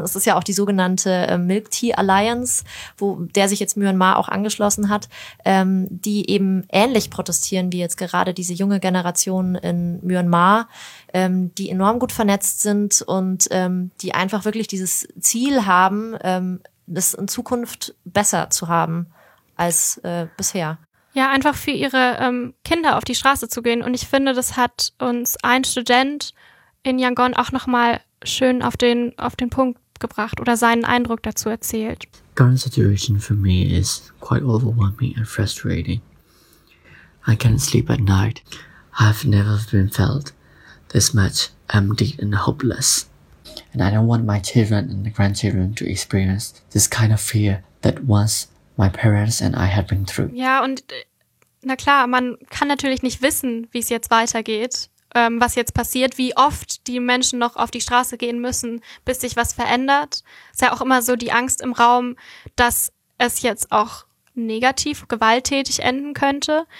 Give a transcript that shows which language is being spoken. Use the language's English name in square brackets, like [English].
[German] Es ist ja auch die sogenannte Milk Tea Alliance, der sich jetzt Myanmar auch angeschlossen hat, die eben ähnlich protestieren wie jetzt gerade diese junge Generation in Myanmar, die enorm gut vernetzt sind und die einfach wirklich dieses Ziel haben, das in Zukunft besser zu haben als bisher. Ja, einfach für ihre Kinder auf die Straße zu gehen. Und ich finde, das hat uns ein Student in Yangon auch nochmal schön auf den Punkt gebracht oder seinen Eindruck dazu erzählt. [English] Current situation for me is quite overwhelming and frustrating. I can't sleep at night. I've never been felt this much empty and hopeless. And I don't want my children and grandchildren to experience this kind of fear that once my parents and I had been through. [German] Ja, und na klar, man kann natürlich nicht wissen, wie es jetzt weitergeht, was jetzt passiert, wie oft die Menschen noch auf die Straße gehen müssen, bis sich was verändert. Es ist ja auch immer so die Angst im Raum, dass es jetzt auch negativ, gewalttätig enden könnte.